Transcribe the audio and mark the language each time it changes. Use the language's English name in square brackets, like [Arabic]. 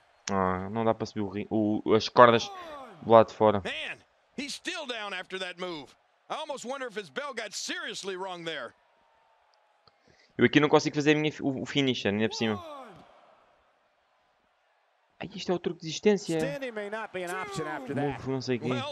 [Portuguese] Ah, não dá para subir as cordas do lado de fora. [English] Man, he's still down after that move. I almost wonder if his bell got seriously wrong there. [Portuguese] Eu aqui não consigo fazer a minha, o finisher, ainda por cima. Ai, isto é o truque de existência. Move, não sei o quê.